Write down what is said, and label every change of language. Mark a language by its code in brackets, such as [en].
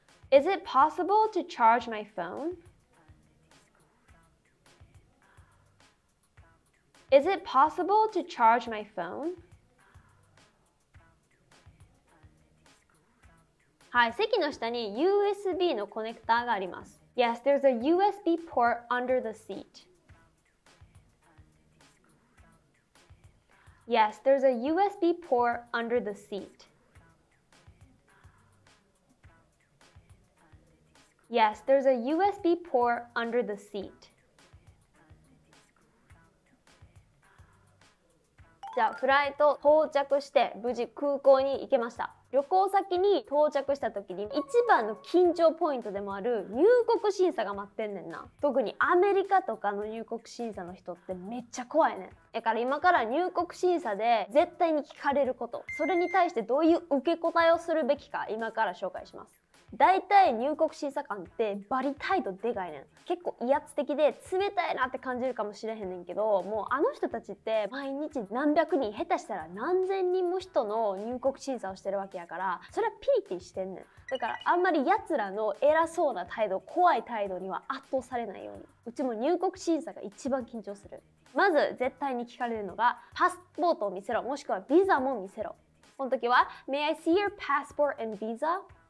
[en] Is it possible to charge my phone? Is it possible to charge my phone? [ja] はい、席の下に USB のコネクターがあります [en] Yes, there's a USB port under the seat. Yes, there's a USB port under the seat. Yes, there's a USB port under the seat. [ja] じゃあ、フライト到着して無事空港に行けました。旅行先に到着した時に一番の緊張ポイントでもある入国審査が待ってんねんな。特にアメリカとかの入国審査の人ってめっちゃ怖いねん。だから今から入国審査で絶対に聞かれること、それに対してどういう受け答えをするべきか今から紹介します。大体入国審査官ってバリ態度でかいねん。結構威圧的で冷たいなって感じるかもしれへんねんけど、もうあの人たちって毎日何百人、下手したら何千人も人の入国審査をしてるわけやから、それはピリピリしてんねん。だからあんまりやつらの偉そうな態度、怖い態度には圧倒されないように。うちも入国審査が一番緊張する。まず絶対に聞かれるのがパスポートを見せろ、もしくはビザも見せろ。この時は [en] May I see your passport and visa?